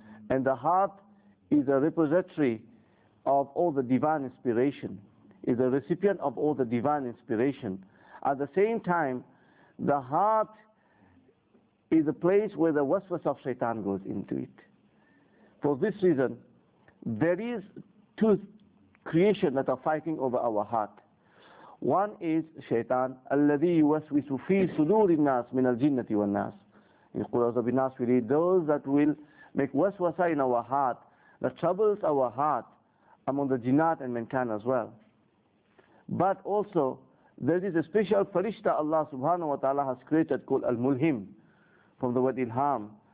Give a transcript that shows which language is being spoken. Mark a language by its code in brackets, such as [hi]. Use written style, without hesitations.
[en] And the heart is a repository of all the divine inspiration, is a recipient of all the divine inspiration. At the same time, the heart is a place where the waswas of shaitan goes into it. For this reason, there is two creations that are fighting over our heart. One is shaitan, [ar] الَّذِي يُوَسْوِسُ فِي صُدُورِ النَّاسِ مِنَ الْجِنَّةِ وَالنَّاسِ. [en] In Qura'ah Zabi Nas, we read, those that will make waswasa in our heart, that troubles our heart among the jinnat and mankind as well. But also, there is a special farishta Allah subhanahu wa ta'ala has created called Al-Mulhim, from the word Ilham.